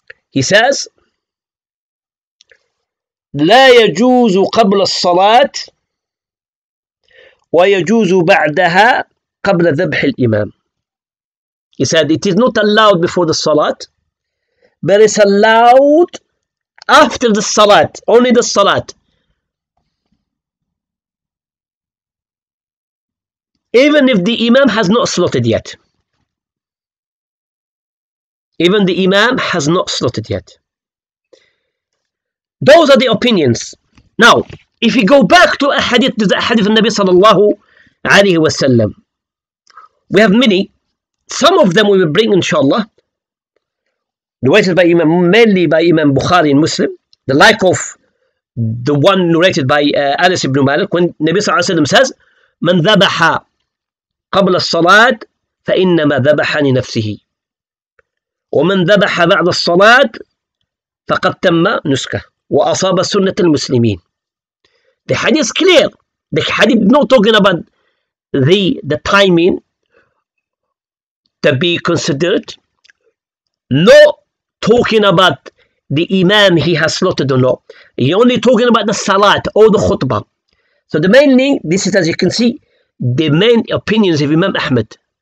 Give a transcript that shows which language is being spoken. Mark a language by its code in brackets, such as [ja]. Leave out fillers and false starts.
[en] He says, [ar] لا يجوز قبل الصلاة ويجوز بعدها قبل ذبح الإمام. [en] He said, it is not allowed before the Salat, but it's allowed after the Salat, only the Salat. Even if the Imam has not slotted yet. Even the Imam has not slotted yet. Those are the opinions. Now, if you go back to a hadith, to the hadith of Nabi sallallahu alayhi wa sallam, we have many. Some of them we will bring, inshallah, narrated by Imam, mainly by Imam Bukhari and Muslim, the like of the one narrated by Anas ibn Malik, when Nabi sallallahu alayhi wa sallam says, [ar] من ذبح قبل الصلاة فإنما ذبح لنفسه. ومن ذبح بعد الصلاة فقد تم نسكه وأصاب سنة المسلمين. [en] The hadith is clear. The hadith is not talking about the timing to be considered. No talking about the Imam he has slotted or not. He only talking about the Salat or the Khutbah. So the main thing, this is as you can see, the main opinions of Imam Ahmed.